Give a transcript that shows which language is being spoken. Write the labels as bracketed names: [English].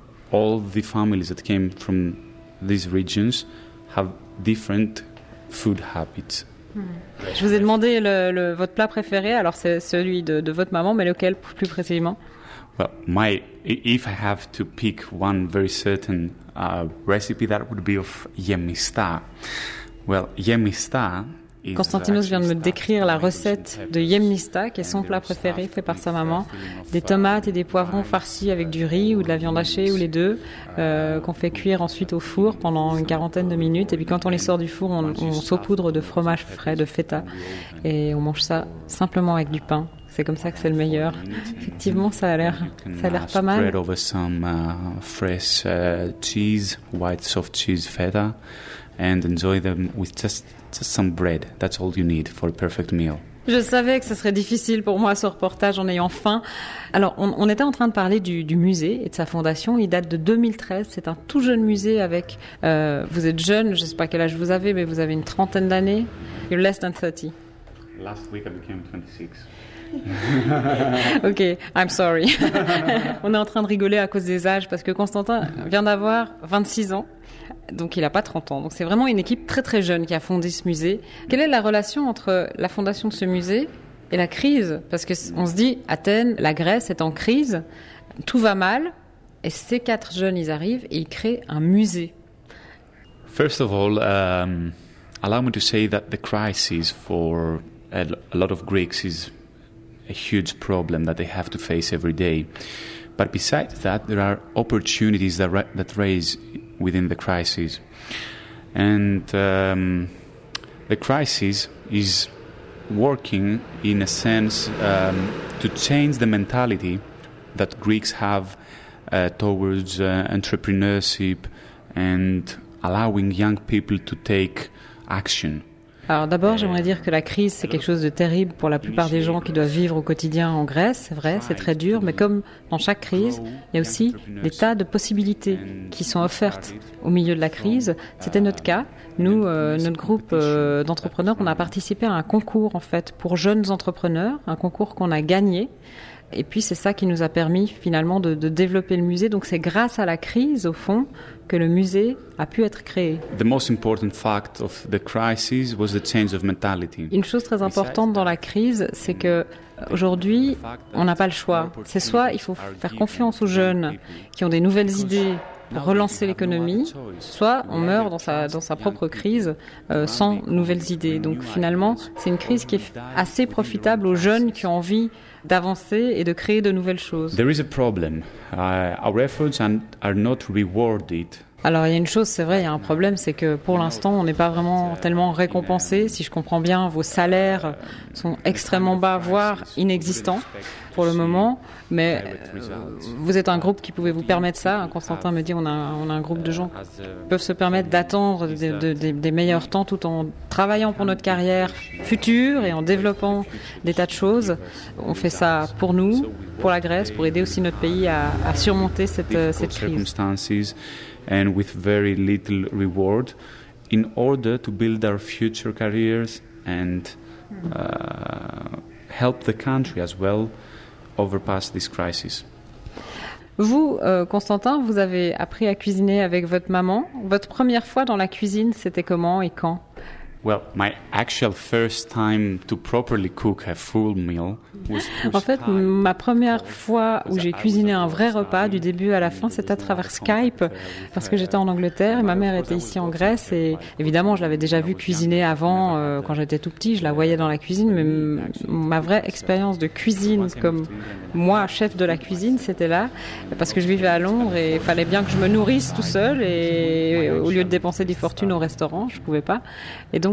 [English] All the families that came from these regions have different food habits. [French] Je vous ai demandé votre plat préféré. Alors c'est celui de votre maman, mais lequel plus précisément? [English] Well, if I have to pick one very certain recipe, that would be of yemista. Well, yemista. [French] Konstantinos vient de me décrire la recette de yemnista, qui est son plat préféré, fait par sa maman. Des tomates et des poivrons farcis avec du riz ou de la viande hachée ou les deux, qu'on fait cuire ensuite au four pendant une quarantaine de minutes. Et puis quand on les sort du four, on saupoudre de fromage frais, de feta, et on mange ça simplement avec du pain. C'est comme ça que c'est le meilleur. Effectivement, ça a l'air pas mal. [English] Spread over some fresh cheese, white soft cheese feta, and enjoy them with just some bread. That's all you need for a perfect meal. [French] Je savais que ce serait difficile pour moi ce reportage en ayant faim. Alors, on était en train de parler du musée et de sa fondation. Il date de 2013. C'est un tout jeune musée avec... vous êtes jeune, je ne sais pas quel âge vous avez, mais vous avez une trentaine d'années. [English] You're less than 30. Last week, I became 26. Ok, I'm sorry. [French] On est en train de rigoler à cause des âges parce que Constantin vient d'avoir 26 ans, donc il n'a pas 30 ans. Donc c'est vraiment une équipe très très jeune qui a fondé ce musée. Quelle est la relation entre la fondation de ce musée et la crise? Parce qu'on se dit, Athènes, la Grèce est en crise, tout va mal, et ces quatre jeunes, ils arrivent et ils créent un musée. [English] First of all, allow me to say that the crisis for a lot of Greeks is a huge problem that they have to face every day. But besides that, there are opportunities that raise within the crisis. And the crisis is working in a sense to change the mentality that Greeks have towards entrepreneurship and allowing young people to take action. [French] Alors d'abord, j'aimerais dire que la crise, c'est quelque chose de terrible pour la plupart des gens qui doivent vivre au quotidien en Grèce. C'est vrai, c'est très dur, mais comme dans chaque crise, il y a aussi des tas de possibilités qui sont offertes au milieu de la crise. C'était notre cas. Nous, notre groupe d'entrepreneurs, on a participé à un concours, en fait, pour jeunes entrepreneurs, un concours qu'on a gagné. Et puis, c'est ça qui nous a permis, finalement, de développer le musée. Donc, c'est grâce à la crise, au fond, que le musée a pu être créé. [English] The most important fact of the crisis was the change of mentality. [French] Une chose très importante dans la crise, c'est que aujourd'hui, on n'a pas le choix. C'est soit il faut faire confiance aux jeunes qui ont des nouvelles idées pour relancer l'économie, soit on meurt dans sa propre crise sans nouvelles idées. Donc finalement, c'est une crise qui est assez profitable aux jeunes qui ont envie d'avancer et de créer de nouvelles choses. [English] There is a problem. Our efforts are not rewarded. [French] Alors, il y a une chose, c'est vrai, il y a un problème, c'est que pour l'instant, on n'est pas vraiment tellement récompensé. Si je comprends bien, vos salaires sont extrêmement bas, voire inexistants pour le moment. Mais vous êtes un groupe qui pouvait vous permettre ça. Constantin me dit, on a un groupe de gens qui peuvent se permettre d'attendre des meilleurs temps tout en travaillant pour notre carrière future et en développant des tas de choses. On fait ça pour nous, pour la Grèce, pour aider aussi notre pays à surmonter cette crise. [English] And with very little reward, in order to build our future careers and help the country as well overpass this crisis. [French] Vous, Constantin, vous avez appris à cuisiner avec votre maman. Votre première fois dans la cuisine, c'était comment et quand? [English] Well, my actual first time to properly cook a full meal was. [French] En fait, ma première fois où j'ai cuisiné un vrai repas du début à la fin, c'était à travers Skype parce que j'étais en Angleterre et ma mère était ici en Grèce et évidemment, je l'avais déjà vue cuisiner avant quand j'étais tout petit, je la voyais dans la cuisine, mais ma vraie expérience de cuisine comme moi chef de la cuisine, c'était là parce que je vivais à Londres et il fallait bien que je me nourrisse tout seul et au lieu de dépenser des fortunes au restaurant, je pouvais pas. Et donc